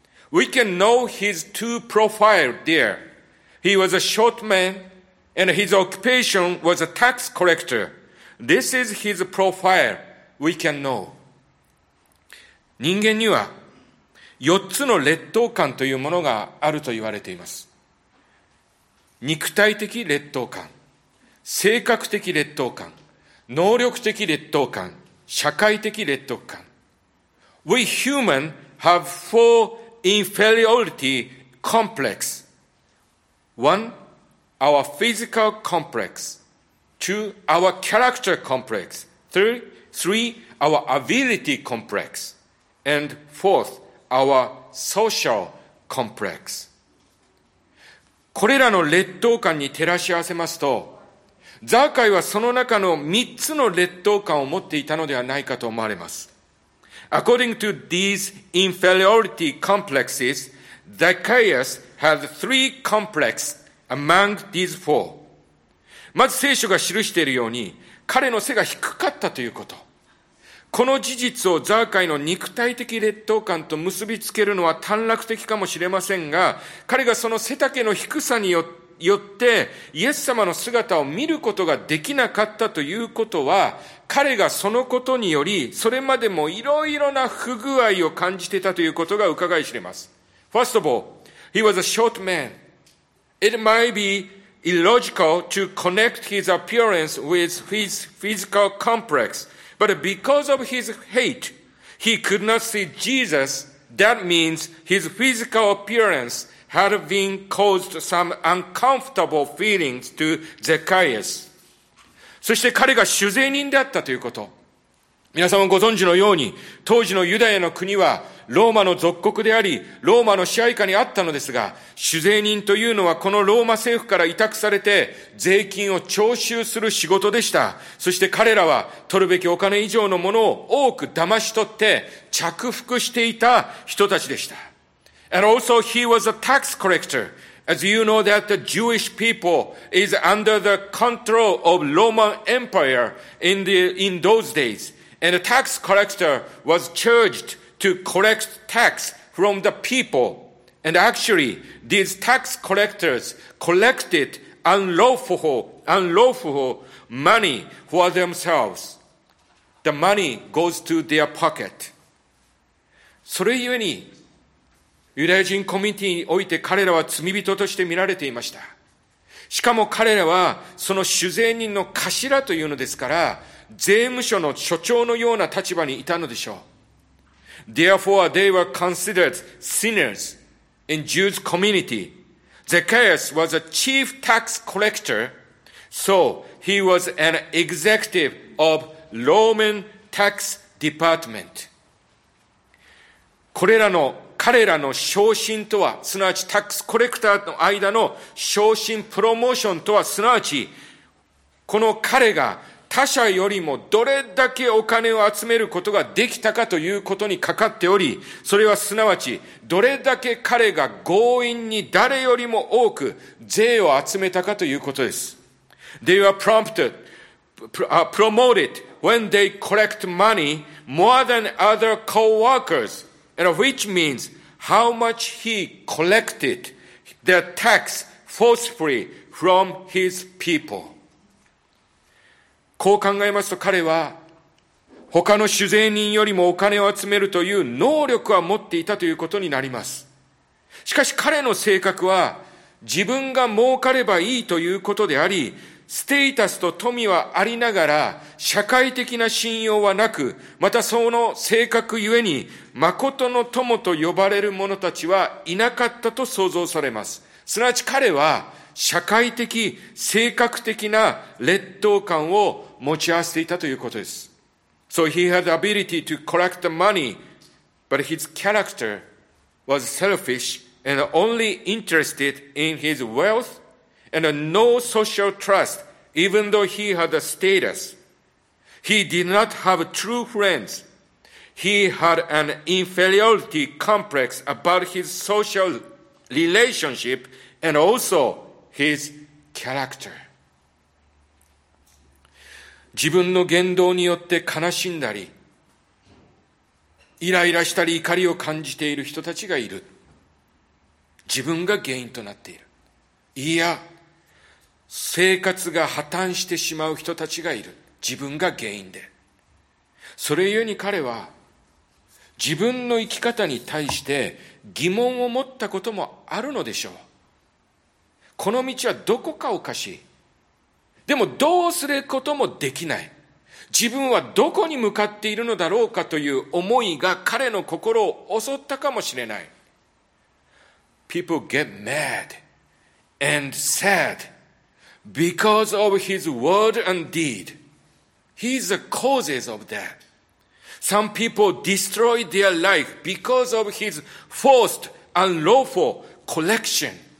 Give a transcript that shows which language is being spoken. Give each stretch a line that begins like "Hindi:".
English: We can know his two profiles there. He was a short man and his occupation was a tax collector. This is his profile we can know.
Japanese: 人間には四つの劣等感というものがあると言われています。肉体的劣等感、性格的劣等感、能力的劣等感、社会的劣等感。
English: We human have four inferiority complex. One, our physical complex. Two, our character complex. Three, our ability complex. And fourth, our social complex.
Japanese: これらの劣等感に照らし合わせますと、ザーカイはその中の三つの劣等感を持っていたのではないかと思われます。
English: According to these inferiority complexes, Zacchaeus had three complexes among these four.
Japanese: まず聖書が記しているように、彼の背が低かったということ。この事実をザーカイの肉体的劣等感と結びつけるのは短絡的かもしれませんが、彼がその背丈の低さによっによってイエス様の姿を見ることができなかったということは、彼がそのことにより、それまでもいろいろな不具合を感じていたということが伺い知れます。
English: First of all, he was a short man. It might be illogical to connect his appearance with his physical complex, but because of his height, he could not see Jesus. That means his physical appearance had been caused some uncomfortable feelings to Zacchaeus.
Japanese: そして彼が主税人であったということ。皆さんもご存知のように、当時のユダヤの国はローマの属国であり、ローマの支配下にあったのですが、主税人というのはこのローマ政府から委託されて税金を徴収する仕事でした。そして彼らは取るべきお金以上のものを多く騙し取って着服していた人たちでした。
English: And also he was a tax collector. As you know that the Jewish people is under the control of Roman Empire in those days. And a tax collector was charged to collect tax from the people. And actually, these tax collectors collected unlawful money for themselves. The money goes to their pocket.
Japanese: それゆえに、ユダヤ人コミュニティにおいて彼らは罪人として見られていました。しかも彼らはその主税人の頭というのですから、税務署の所長のような立場にいたのでしょう。
English: Therefore, they were considered sinners in Jews' community. Zacchaeus was a chief tax collector, so he was an executive of Roman tax department.
Japanese: これらの彼らの昇進とは、すなわちタックスコレクターの間の昇進プロモーションとは、すなわち、この彼が他者よりもどれだけお金を集めることができたかということにかかっており、それはすなわち、どれだけ彼が強引に誰よりも多く税を集めたかということです。
English: They were promoted when they collect money more than other co-workers. And which means how much he collected the tax forcefully from his people.
Japanese: こう考えますと彼は他の主税人よりもお金を集めるという能力は持っていたということになります。しかし彼の性格は自分が儲かればいいということであり、ステータスと富はありながら社会的な信用はなく、またその性格ゆえに誠の友と呼ばれる者たちはいなかったと想像されます。すなわち彼は社会的、性格的な劣等感を持ち合わせていたということです。
English: So he had the ability to collect the money, but his character was selfish and only interested in his wealth and no social trust, even though he had a status. He did not have true friends. He had an inferiority complex about his social relationship and also his character.
Japanese: 自分の言動によって悲しんだり、イライラしたり怒りを感じている人たちがいる。自分が原因となっている。いや、生活が破綻してしまう人たちがいる。自分が原因で。それゆえに彼は、自分の生き方に対して疑問を持ったこともあるのでしょう。この道はどこかおかしい。でもどうすることもできない。自分はどこに向かっているのだろうかという思いが彼の心を襲ったかもしれない。
English: People get mad and sad because of his word and deed. He's the causes of that. Some people destroy their life because of his forced unlawful collection.